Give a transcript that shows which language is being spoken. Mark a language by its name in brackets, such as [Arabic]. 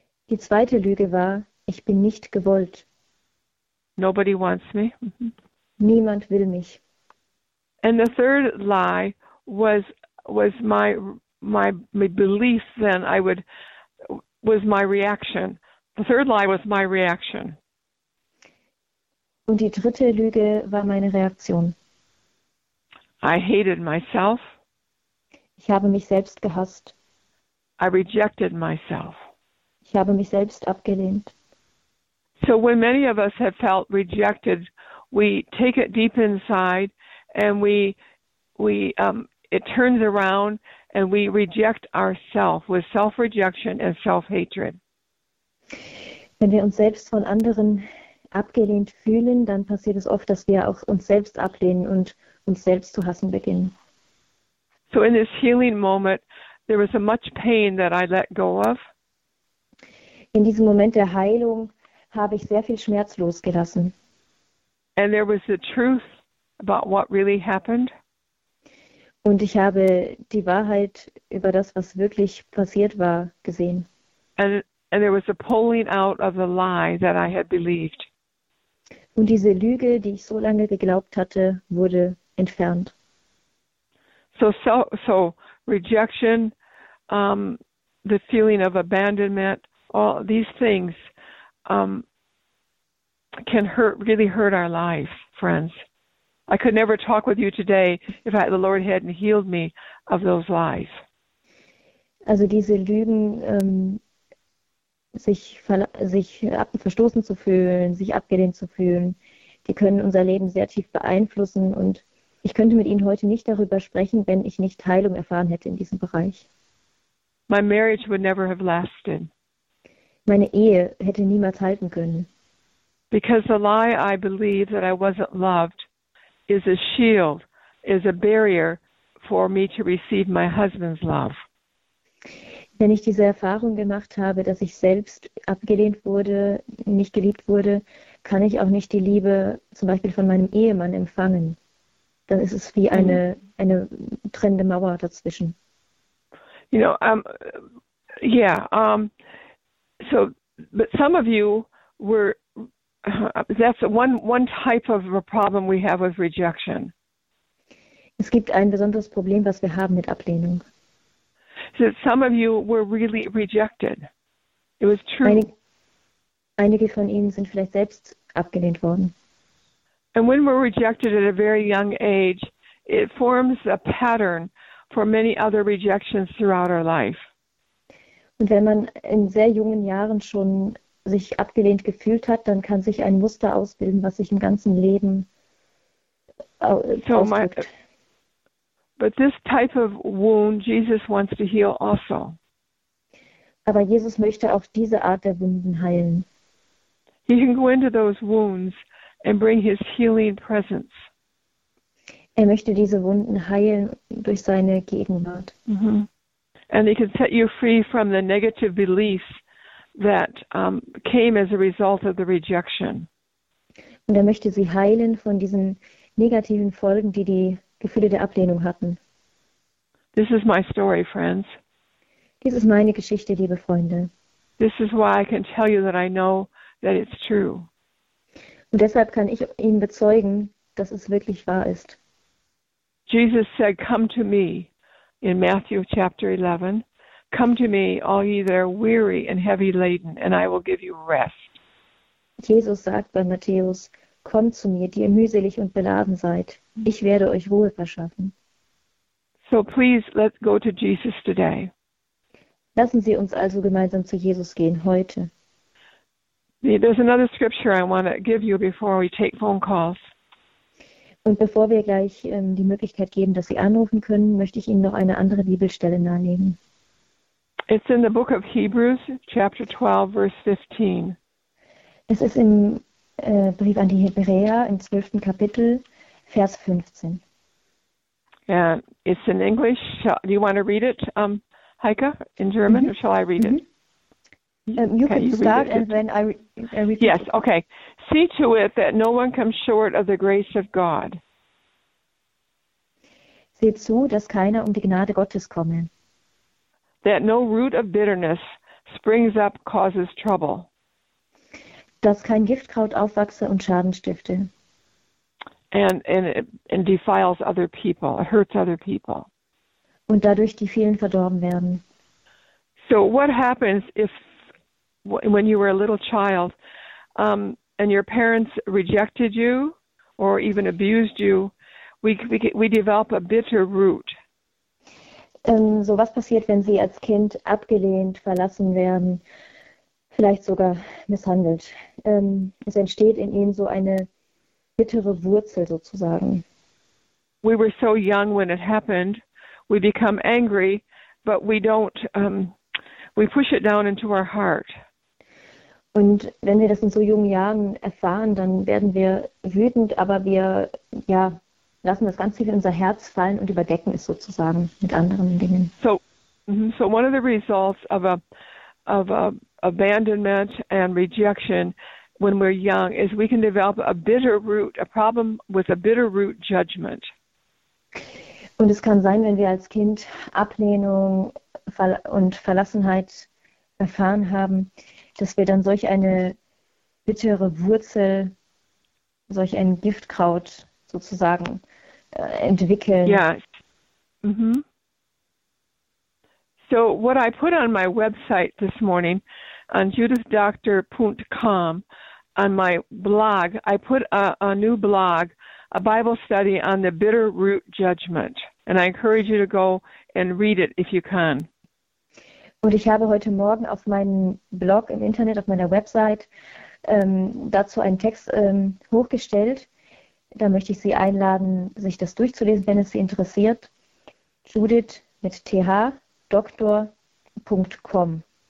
[German] Die zweite Lüge war, ich bin nicht gewollt. [English] Nobody wants me. [German] Niemand will mich. [English] And the third lie was my belief, then I would, was my reaction. The third lie was my reaction. [German] Und die dritte Lüge war meine Reaktion. [English] I hated myself. [German] Ich habe mich selbst gehasst. [English] I rejected myself. [German] Ich habe mich selbst abgelehnt. [English] So when many of us have felt rejected, we take it deep inside and it turns around and we reject ourselves with self-rejection and self-hatred. [German] Wenn wir uns selbst von anderen abgelehnt fühlen, dann passiert es oft, dass wir auch uns selbst ablehnen und uns selbst zu hassen beginnen. [English] So in this healing moment, there was a much pain that I let go of. [German] In diesem Moment der Heilung habe ich sehr viel Schmerz losgelassen. [English] And there was the truth about what really happened. [German] Und ich habe die Wahrheit über das, was wirklich passiert war, gesehen. [English] And there was a pulling out of the lie that I had believed. [German] Und diese Lüge, die ich so lange geglaubt hatte, wurde entfernt. [English] So rejection, the feeling of abandonment, all these things can really hurt our life, friends. I could never talk with you today if the Lord hadn't healed me of those lies. [German] Also diese Lügen, sich verstoßen zu fühlen, sich abgelehnt zu fühlen, die können unser Leben sehr tief beeinflussen. Und ich könnte mit Ihnen heute nicht darüber sprechen, wenn ich nicht Heilung erfahren hätte in diesem Bereich. [English] My marriage would never have lasted. [German] Meine Ehe hätte niemals halten können. [English] Because the lie I believe that I wasn't loved is a shield, is a barrier for me to receive my husband's love. [German] Wenn ich diese Erfahrung gemacht habe, dass ich selbst abgelehnt wurde, nicht geliebt wurde, kann ich auch nicht die Liebe zum Beispiel von meinem Ehemann empfangen. Dann ist es wie eine trennende Mauer dazwischen. [English] You know, so, but some of you were, that's one type of a problem we have with rejection. [German] Es gibt ein besonderes Problem, was wir haben mit Ablehnung. [English] So some of you were really rejected. It was true. [German] Einige von Ihnen sind vielleicht selbst abgelehnt worden. [English] And when we're rejected at a very young age, it forms a pattern for many other rejections throughout our life. [German] Und wenn man in sehr jungen Jahren schon sich abgelehnt gefühlt hat, dann kann sich ein Muster ausbilden, was sich im ganzen Leben [English] So my, [German] ausdrückt. [English] but this type of wound Jesus wants to heal also. [German] Aber Jesus möchte auch diese Art der Wunden heilen. [English] He can go into those wounds and bring his healing presence. [German] Er möchte diese Wunden heilen durch seine Gegenwart. [English] And he can set you free from the negative beliefs that came as a result of the rejection. [German] Und er möchte sie heilen von diesen negativen Folgen, die die Gefühle der Ablehnung hatten. [English] This is my story, friends. [German] Dies ist meine Geschichte, liebe Freunde. [English] This is why I can tell you that I know that it's true. [German] Und deshalb kann ich Ihnen bezeugen, dass es wirklich wahr ist. [English] Jesus said, "Come to me," in Matthew chapter 11. "Come to me, all ye that are weary and heavy laden, and I will give you rest." [German] Jesus sagt bei Matthäus: Kommt zu mir, die ihr mühselig und beladen seid. Ich werde euch Ruhe verschaffen. [English] So please let's go to Jesus today. [German] Lassen Sie uns also gemeinsam zu Jesus gehen, heute. [English] There's another scripture I want to give you before we take phone calls. [German] Und bevor wir gleich die Möglichkeit geben, dass Sie anrufen können, möchte ich Ihnen noch eine andere Bibelstelle nahelegen. [English] It's in the book of Hebrews, chapter 12, verse 15. [German] Es ist im Brief an die Hebräer im 12. Kapitel, Vers 15. [English] And it's in English. Do you want to read it, Heike, in German, or shall I read it? You Can can you read start it? and then I repeat Yes, it. okay. See to it that no one comes short of the grace of God. [German] Seht zu, dass keiner um die Gnade Gottes komme. [English] That no root of bitterness springs up, causes trouble. [German] Dass kein Giftkraut aufwachse und Schaden stifte. [English] And defiles other people, it hurts other people. [German] Und dadurch die vielen verdorben werden. [English] So what happens if, when you were a little child, and your parents rejected you or even abused you, we develop a bitter root. [German] So was passiert, wenn Sie als Kind abgelehnt, verlassen werden? Vielleicht sogar misshandelt. Es entsteht in ihnen so eine bittere Wurzel sozusagen. [English] We were so young when it happened. We become angry, but we don't, we push it down into our heart. [German] Und wenn wir das in so jungen Jahren erfahren, dann werden wir wütend, aber wir ja, lassen das Ganze in unser Herz fallen und überdecken es sozusagen mit anderen Dingen. [English] So one of the results of a abandonment and rejection when we're young is we can develop a bitter root, a problem with a bitter root judgment. [German] Und es kann sein, wenn wir als Kind Ablehnung und Verlassenheit erfahren haben, dass wir dann solch eine bittere Wurzel, solch ein Giftkraut sozusagen entwickeln. [English] Yeah. So what I put on my website this morning, on judithdoctor.com, on my blog, I put a new blog, a Bible study on the bitter root judgment. And I encourage you to go and read it if you can. [German] Und ich habe heute Morgen auf meinem Blog im Internet, auf meiner Website, dazu einen Text hochgestellt. Da möchte ich Sie einladen, sich das durchzulesen, wenn es Sie interessiert. Judith mit TH, doktor.com.